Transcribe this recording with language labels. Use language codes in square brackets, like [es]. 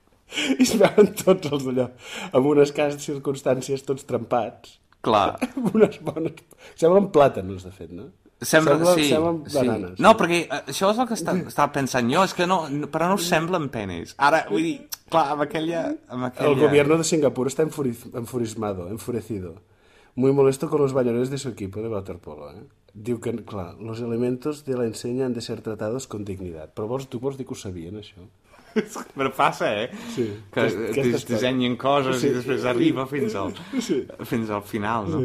[ca] I es veuen tots els d'allò, amb unes cases circumstàncies, tots trempats. Clar. Amb unes bones... Semblen plàtanos, de fet, no? Semblen bananes. Sí. No, perquè això és el que estava pensant jo, és que no, però no semblen penis. Ara, vull dir, clar, amb aquella... [es] El gobierno de Singapur està enfurecido. Muy molesto con los bañadores de su equipo de waterpolo, eh? [ca] Diu que, clar, [es] los elementos de la enseña han de ser tratados con dignidad. [ca] Però tu vols dir que ho sabien, això? Però passa, eh? Sí. Que dissenyen coses, sí, i després arriba fins al final, no?